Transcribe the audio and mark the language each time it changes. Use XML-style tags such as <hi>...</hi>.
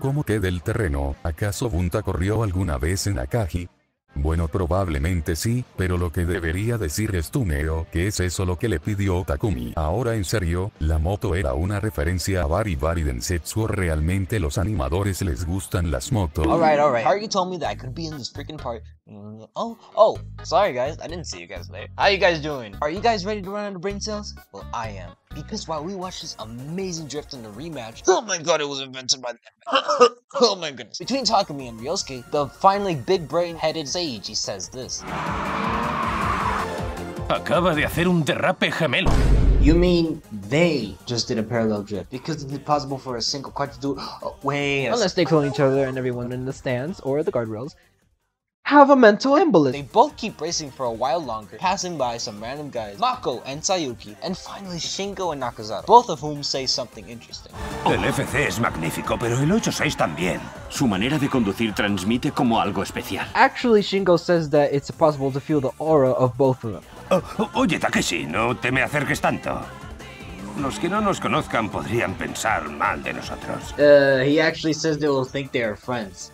<es>¿Cómo que del terreno? ¿Acaso Bunta corrió alguna vez en Akagi? Bueno, probablemente sí, pero lo que debería decir es Tuneo, que es eso lo que le pidió Takumi. Ahora en serio, la moto era una referencia a Bari Bari Densetsu. Realmente los animadores les gustan las motos.</es> <en>Alright, alright. How are you telling me that I could be in this freaking park? Oh, sorry guys, I didn't see you guys there. How are you guys doing? Are you guys ready to run out of brain cells? Well, I am. Because while we watched this amazing drift in the rematch, oh my god, it was invented by the oh my goodness. Between Takumi and Ryosuke, the finally big brain headed Seiji says this.</en> <es>Acaba de hacer un derrape gemelo.</es> <en>You mean they just did a parallel drift? Because it's impossible for a single car to do. Oh, wait. Unless they kill each other and everyone in the stands or the guardrails. Have a mental embolism. They both keep racing for a while longer, passing by some random guys, Mako and Sayuki, and finally Shingo and Nakazato, both of whom say something interesting.</en> <es>El FC es magnífico, pero el 86 también. Su manera de conducir transmite como algo especial.</es> <en>Actually, Shingo says that it's possible to feel the aura of both of them.</en> <es>Oye, Takeshi, no te me acerques tanto. Los que no nos conozcan podrían pensar mal de nosotros.</es> <en>He actually says they will think they are friends.</en>